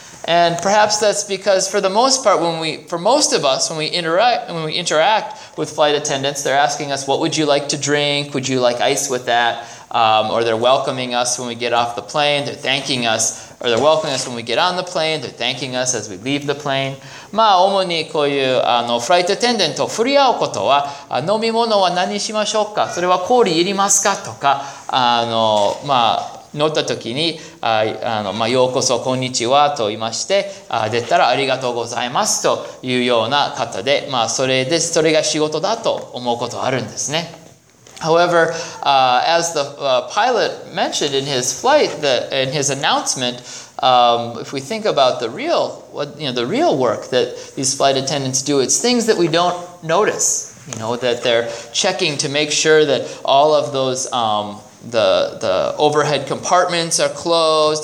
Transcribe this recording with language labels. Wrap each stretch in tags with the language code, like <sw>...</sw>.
<en>And perhaps that's because for the most part, when we interact with flight attendants, they're asking us, what would you like to drink? Would you like ice with that? Or they're welcoming us when we get off the plane. They're thanking us. Or they're welcoming us when we get on the plane. They're thanking us as we leave the plane.</en> <ja>まあ、主にこういう、フライトアテンデントを振り合うことは、飲み物は何しましょうか? それは氷いりますか?とか、まあ、乗った時に、まあ、ようこそ、こんにちはと言いまして、出たらありがとうございますというような方で、まあ、それで、それが仕事だと思うことあるんですね。</ja> <en>However, as the pilot mentioned in his flight, in his announcement, if we think about the real work that these flight attendants do, it's things that we don't notice. You know, that they're checking to make sure that all of those, the overhead compartments are closed.</en>